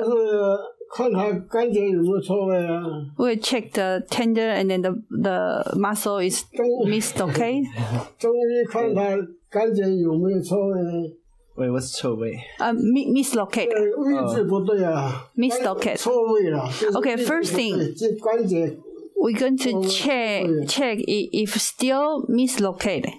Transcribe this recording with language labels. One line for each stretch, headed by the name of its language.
Chinese: 就是看他关节有没有错位啊。
English: We'll check the tendon and then the muscle is missed, okay?
Chinese: 中医看他关节有没有错位。
English: Wait, what's 错位? Mislocate.
Chinese: 位置不对啊。
English: Mislocate.
Chinese: 错位了。
English: Okay, first thing,
Chinese: 这关节。
English: We're going to check if still mislocate.